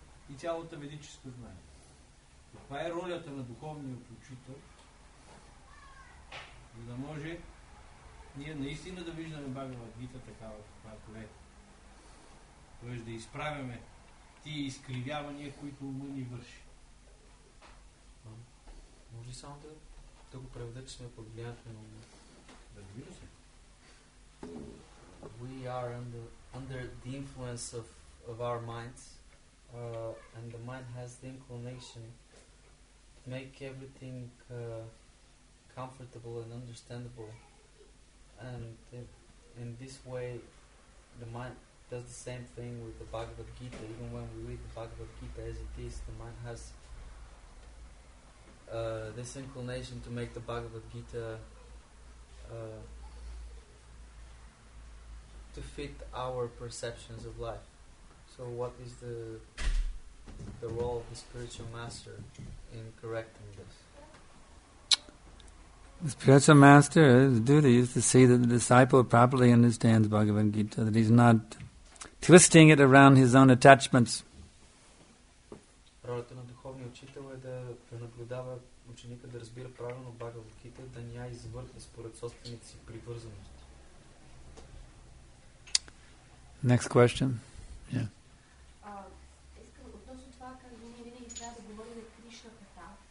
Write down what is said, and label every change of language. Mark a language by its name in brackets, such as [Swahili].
[Bulgarian] и цялата ведическа знание. Каква е ролята на духовния учител, за да може ние наистина да виждаме Бхагавад Гита такава, каквато е. Т.е. да изправяме тия изкривявания, които ума ни върши. А, може ли само да го преведа, че сме под влиянието на ума? Разбира се. [English] We are under the influence of our minds, and the mind has the inclination to make everything comfortable and understandable, and in this way the mind does the same thing with the Bhagavad Gita. Even when we read the Bhagavad Gita as it is, the mind has this inclination to make the Bhagavad Gita to fit our perceptions of life. So what is the role of the spiritual master in correcting this? The spiritual master's duty is to see that the disciple properly understands Bhagavad Gita, that he's not twisting it around his own attachments. [Bulgarian] Ролята на духовния учител е да пренаблюдава ученика, да разбира правилно Бхагавад Гита, да не я извъртне според собствените си привързаности. [English] Next question. [Bulgarian] Искам относно това, как ние винаги трябва да говорим Кришна Катха.